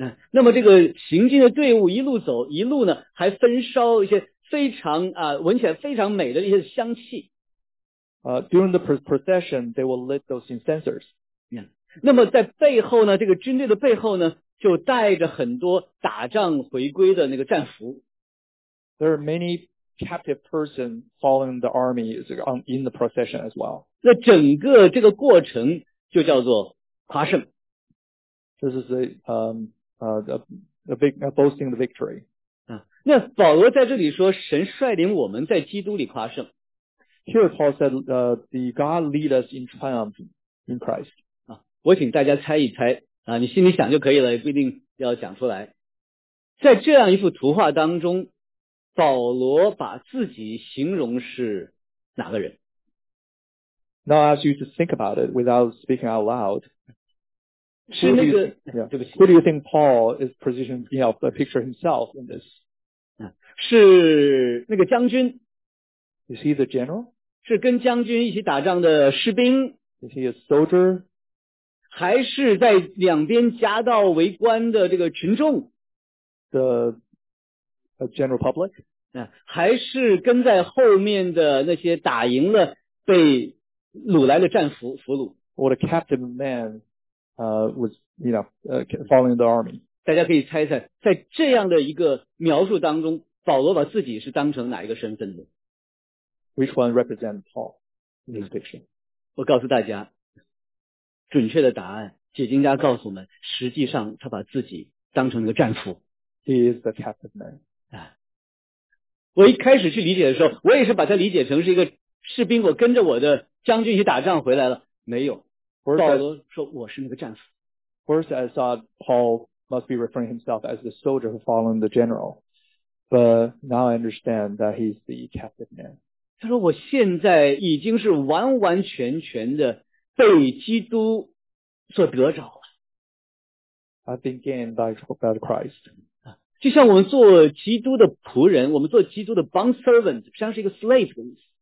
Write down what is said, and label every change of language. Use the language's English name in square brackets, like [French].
[Chinese] 那么这个行进的队伍一路走，一路呢还焚烧一些非常闻起来非常美的一些香气。 [English] During the procession, they will lit those incensers. [Chinese] 那么在背后呢，这个军队的背后呢，就带着很多打仗回归的那个战俘。 [English] There are many captive persons following the army in the procession as well. [Chinese] 那整个这个过程就叫做夸胜。 [English] This is a boasting the victory. [Chinese] 那保罗在这里说，神率领我们在基督里夸胜。 [English] Here Paul said, the God lead us in triumph in Christ. [Chinese] 我请大家猜一猜你心里想就可以了，也不一定要讲出来。在这样一幅图画当中，保罗把自己形容是哪个人？ [English] Now I ask you to think about it without speaking out loud. [Chinese] 是那个 [English] yeah, [Chinese] 对不起。 [English] Who do you think Paul is positioned, you know, the picture himself in this? [Chinese] 是那个将军。 [English] Is he the general? [Chinese] 是跟将军一起打仗的士兵。 [English] Is he a soldier? [Chinese] 还是在两边夹道围观的这个群众 [English] the general public [Chinese] 还是跟在后面的那些打赢了被掳来的战俘俘虏。 [English] What a captive man, was, you know, following the army. [Chinese] 大家可以猜猜，在这样的一个描述当中，保罗把自己是当成哪一个身份的？ [English] Which one represents Paul in this picture? [Chinese] 我告诉大家，准确的答案，解经家告诉我们，实际上他把自己当成一个战俘。 [English] He is the captive man. [Chinese] 我一开始去理解的时候，我也是把他理解成是一个士兵，我跟着我的将军去打仗回来了。没有，保罗说我是那个战俘。 [English] First, I thought Paul must be referring himself as the soldier who followed the general, but now I understand that he's the captive man. [Chinese] 他说我现在已经是完完全全的被基督所得着了。 [English] I've been gained by Christ. [Chinese] 就像我们做基督的仆人，我们做基督的 bond servant， 实际上是一个 slave 的意思。